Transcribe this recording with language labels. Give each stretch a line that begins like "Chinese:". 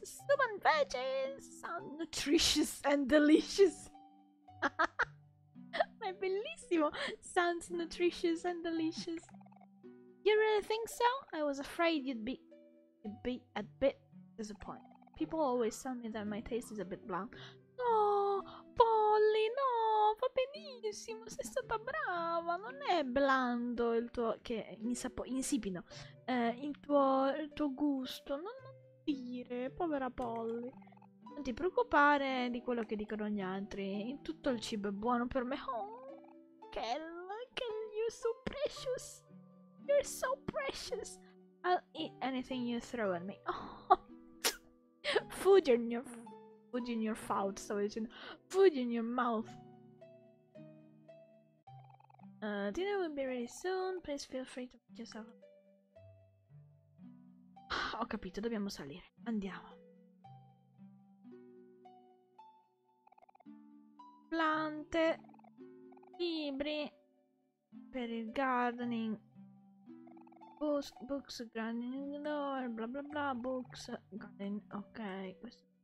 English: Soup and veggies sound nutritious and delicious.
Italian: Ma è bellissimo!
English: Sounds nutritious and delicious. You really think so? I was afraid you'd be a bit disappointed. People always tell me that my taste is a bit bland.
Italian: No, Polly, no, va benissimo, sei stata brava. Non è blando il tuo... Che insipido. Il tuo gusto. Non dire, povera Polly. Non ti preoccupare di quello che dicono gli altri. Tutto il cibo è buono per me.
English: Oh, Kel, you're so precious. You're so precious. I'll eat anything you throw at me. Oh. Food in your mouth,
Italian: stavo dicendo.
English: Food in your mouth. Dinner will be ready soon. Please feel free to make yourself.
Italian: Ho capito, dobbiamo salire. Andiamo. Plante. Libri. Per il gardening.
English: Books grinding door, bla bla bla, books grinding,
Italian: ok, questo.